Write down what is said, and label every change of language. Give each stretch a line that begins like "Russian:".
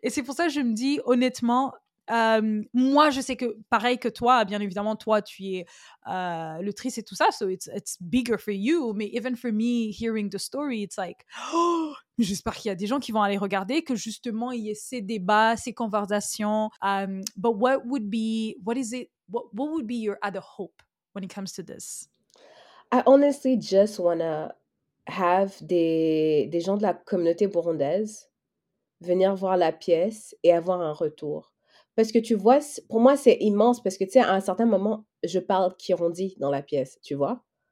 French: Et c'est pour ça que je me dis, honnêtement, moi, je sais que, pareil que toi, bien évidemment, toi, tu es l'autrice et tout ça,
English: so it's bigger for you, mais even for me, hearing the story, it's like, oh,
French: j'espère qu'il y a des gens qui vont aller regarder, que justement, il y ait ces débats, ces conversations.
English: But what would be, what is it, what would be your other hope when it comes to this? I honestly just wanna have
French: des gens de la communauté burundaise venir voir la pièce et avoir un retour. Parce que tu vois, pour moi, c'est immense parce que, tu sais, à un certain moment, je parle Kirundi dans la pièce, tu vois.